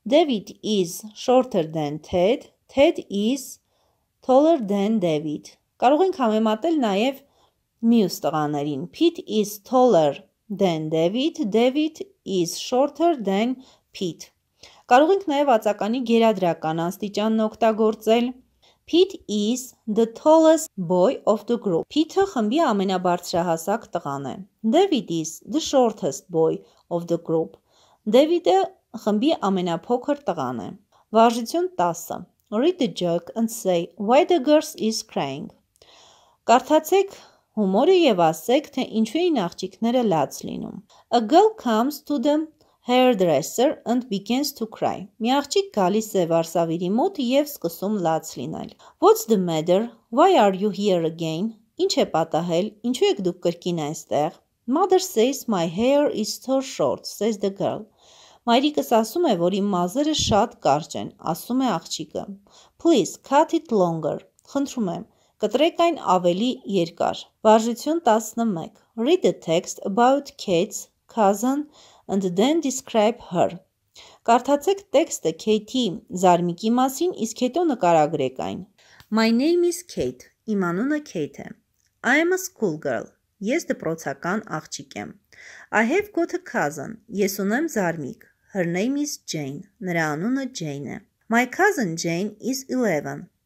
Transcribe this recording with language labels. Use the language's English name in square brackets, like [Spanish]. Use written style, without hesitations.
[English] David is shorter than Ted. Ted is taller than David. [Armenian] Կարող ենք համեմատել նաև մյուս տղաներին. [English] Pete is taller than David. David is shorter than Pete. [Armenian] Կարող ենք նաև ածականի գերադրական աստիճանն օգտագործել. [English] Pete is the tallest boy of the group. [Armenian] Pete-ը խմբի ամենաբարձրահասակ տղան է. [English] David is the shortest boy of the group. [Armenian] David-ը խմբի ամենափոքր տղան է. Վարժություն 10. [English] Read the joke and say why the girl is crying. [Armenian] Կարդացեք հումորը եւ ասեք, թե ինչու են աղջիկները լաց լինում. [English] A girl comes to the hairdresser and begins to cry. [Armenian] Մի աղջիկ գալիս է վարսավիրի մոտ եւ սկսում լաց լինել. [English] What's the matter? Why are you here again? [Armenian] Ինչ է պատահել? Ինչու եք դուք կրկին այստեղ? [English] Mother says my hair is too short, says the girl. [Armenian] Մայրիկս ասում է, որ իմ մազերը շատ կարճ են, ասում է աղջիկը. [English] Please cut it longer. [Armenian] Խնդրում եմ, կտրեք այն ավելի երկար։ Վարժություն 11. [English] Read the text about Kate's cousin and then describe her. [Armenian] Կարդացեք տեքստը Kate-ի զարմիկի մասին, իսկ հետո նկարագրեք այն։ [English] My name is Kate. [Armenian] Իմ անունը Kate է. [English] I am a school girl. [Armenian] Ես դպրոցական աղջիկ եմ։ [English] I have got a cousin. [Armenian] Ես ունեմ զարմիկ։ [English] Her name is Jane. [Armenian] Նրա անունը Jane է։ [English] My cousin Jane is 11.